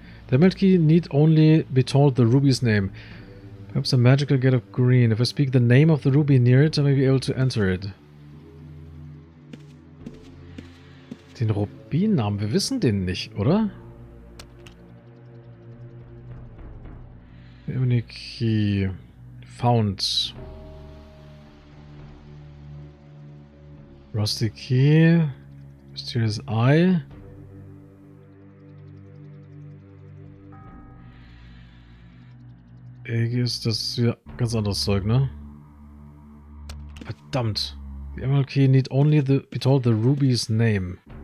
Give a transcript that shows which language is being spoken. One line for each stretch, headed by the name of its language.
English: The Melky need only be told the Ruby's name. Perhaps a magical gate of green. If I speak the name of the Ruby near it, I may be able to enter it.
German: Den Rubin-Namen, wir wissen den nicht, oder?
English: The Melky found... Rusty Key, Mysterious Eye.
German: Egg ist das ja ganz anderes Zeug, ne? Verdammt.
English: The Emerald Key need only the be told the Ruby's name.